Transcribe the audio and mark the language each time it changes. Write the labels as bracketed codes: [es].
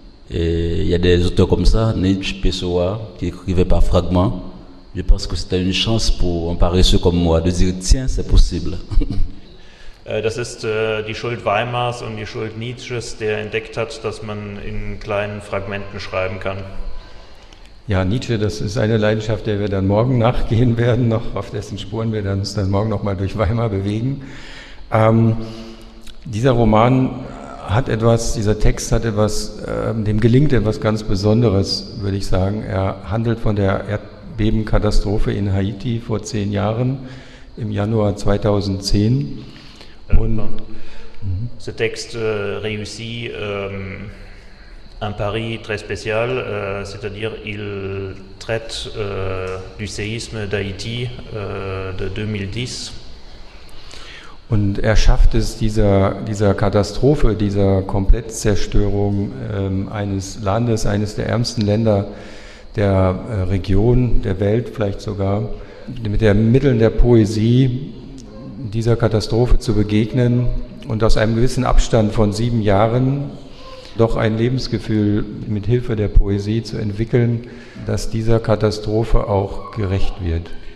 [fr] Et il y a des auteurs comme ça, Nietzsche, Pessoa, qui écrivaient par fragments. Je pense que c'était une chance pour un paresseux comme moi de dire tiens, c'est possible. [de] Das ist die Schuld Weimars und die Schuld Nietzsches, der entdeckt hat, dass man in kleinen Fragmenten schreiben kann. Ja, Nietzsche, das ist eine Leidenschaft, der wir dann morgen nachgehen werden, noch auf dessen Spuren wir uns dann morgen nochmal durch Weimar bewegen. Dieser Roman hat etwas, dieser Text hat etwas, dem gelingt etwas ganz Besonderes, würde ich sagen. Er handelt von der Erdbebenkatastrophe in Haiti vor 10 Jahren, im Januar 2010. [fr] Und ce texte réussit un pari très spécial, c'est-à-dire il traite du séisme d'Haïti de 2010. [de] Und er schafft es, dieser Katastrophe, dieser Komplettzerstörung eines Landes, eines der ärmsten Länder der Region, der Welt vielleicht sogar, mit den Mitteln der Poesie dieser Katastrophe zu begegnen und aus einem gewissen Abstand von 7 Jahren doch ein Lebensgefühl mit Hilfe der Poesie zu entwickeln, dass dieser Katastrophe auch gerecht wird.